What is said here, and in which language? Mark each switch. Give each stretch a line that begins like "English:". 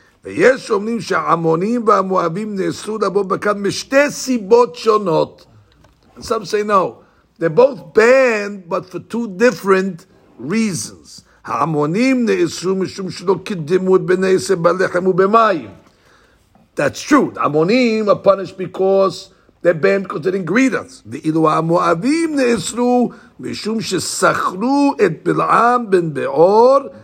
Hebrew: ויש אומרים שהעמונים והמואבים נאסרו לבוא בקהל משתי סיבות שונות.
English: Some say no. They're both banned, but for two different reasons.
Hebrew: העמונים נאסרו משום שלא קידמו את בני ישראל בלחם ובמים.
English: That's true. The עמונים are punished because they're banned because they didn't greet us.
Hebrew: ואילו המואבים נאסרו משום ששכרו את בלעם בן בעור